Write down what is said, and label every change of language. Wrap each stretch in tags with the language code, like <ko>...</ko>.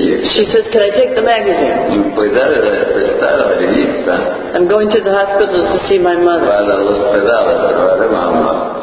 <en>She says, can I take the magazine?</en> <it>Puoi dare da prestare la rivista?</it> <en>I'm going to the hospital to see my mother.</en> <it>Vado all'ospedale a trovare mamma.</it>